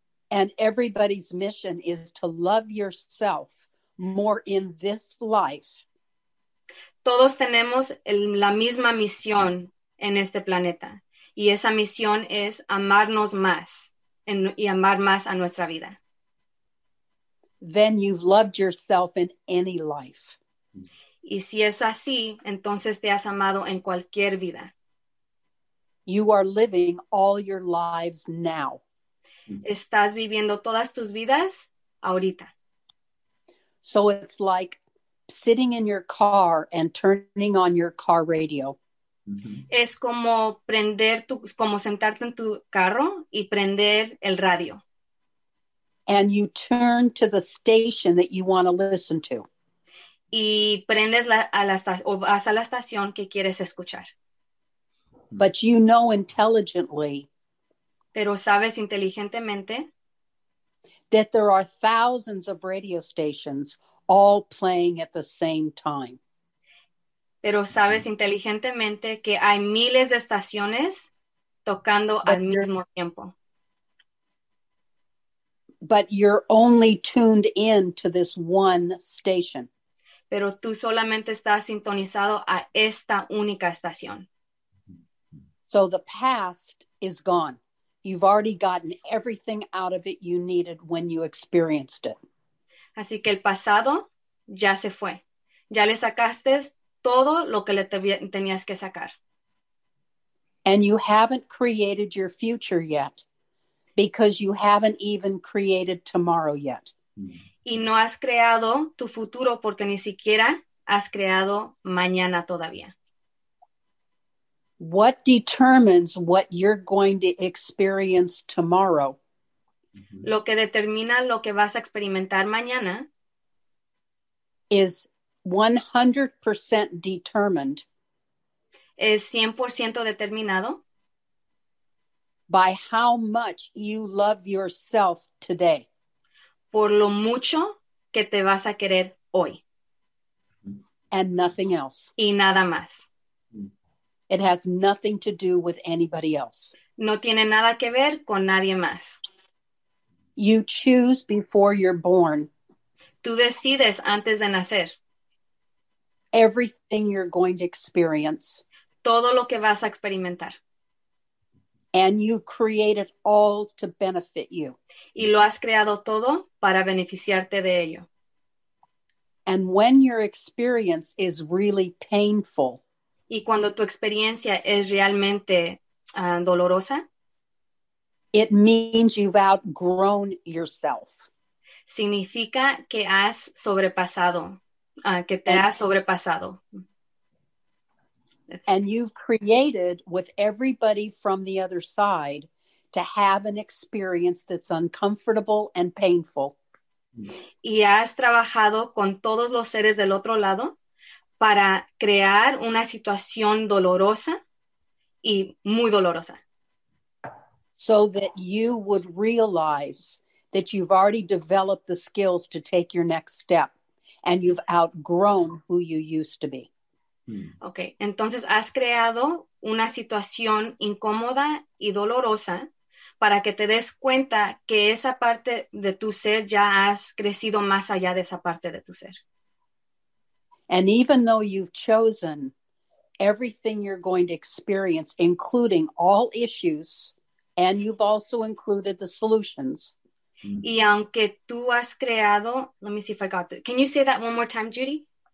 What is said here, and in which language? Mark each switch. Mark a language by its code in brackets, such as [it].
[en] And everybody's mission is to love yourself more in this life. [es] Todos tenemos la misma misión en este planeta. Y esa misión es amarnos más y amar más a nuestra vida. [en] Then you've loved yourself in any life. [es] Y si es así, entonces te has amado en cualquier vida. [en] You are living all your lives now. [es] Estás viviendo todas tus vidas ahorita. [en] So it's like sitting in your car and turning on your car radio. Mm-hmm. [es] Es como sentarte en tu carro y prender el radio. [en] And you turn to the station that you want to listen to. [es] Y prendes vas a la estación que quieres escuchar. [en] But you know intelligently. [es] Pero sabes inteligentemente. [en] That there are thousands of radio stations all playing at the same time. [es] Pero sabes inteligentemente que hay miles de estaciones tocando al mismo tiempo. [en] But you're only tuned in to this one station. [es] Pero tú solamente estás sintonizado a esta única estación. [en] So the past is gone. You've already gotten everything out of it you needed when you experienced it. [es] Así que el pasado ya se fue. Ya le sacaste todo lo que le tenías que sacar. [en] And you haven't created your future yet because you haven't even created tomorrow yet. [es] Y no has creado tu futuro porque ni siquiera has creado mañana todavía. [en] What determines what you're going to experience tomorrow? [es] Lo que determina lo que vas a experimentar mañana [en] is 100% determined. [es] Es 100% determinado. [en] By how much you love yourself today. [es] Por lo mucho que te vas a querer hoy. [en] And nothing else. [es] Y nada más. [en] It has nothing to do with anybody else. [es] No tiene nada que ver con nadie más. [en] You choose before you're born. [es] Tú decides antes de nacer. [en] Everything you're going to experience. [es] Todo lo que vas a experimentar. [en] And you create it all to benefit you. [es] Y lo has creado todo para beneficiarte de ello. [en] And when your experience is really painful. [es] Y cuando tu experiencia es realmente dolorosa. [en] It means you've outgrown yourself. [es] Significa que has sobrepasado. Has sobrepasado. [en] And you've created with everybody from the other side to have an experience that's uncomfortable and painful. [es] Y has trabajado con todos los seres del otro lado para crear una situación dolorosa y muy dolorosa. [en] So that you would realize that you've already developed the skills to take your next step. And you've outgrown who you used to be. [es] Okay, entonces has creado una situación incómoda y dolorosa para que te des cuenta que esa parte de tu ser ya has crecido más allá de esa parte de tu ser. [en] And even though you've chosen everything you're going to experience, including all issues, and you've also included the solutions. [es] Y aunque tú has creado, [en] let me see if I got this. Can you say that one more time, Judy?